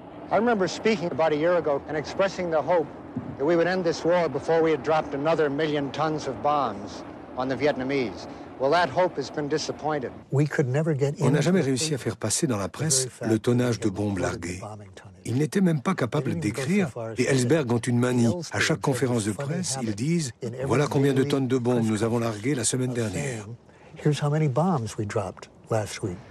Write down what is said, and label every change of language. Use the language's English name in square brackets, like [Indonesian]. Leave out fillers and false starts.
[English] I remember speaking about a year ago and expressing the hope that we would end this war before we had dropped another million tons of bombs on the Vietnamese. Well, that hope has been disappointed. We could never get in. [French] On n'a jamais réussi à faire passer dans la presse le tonnage de bombes larguées. Ils n'étaient même pas capables d'écrire. Et Ellsberg ont une manie. À chaque conférence de presse, ils disent : voilà combien de tonnes de bombes nous avons larguées la semaine dernière. [English] Here's how many bombs we dropped last week.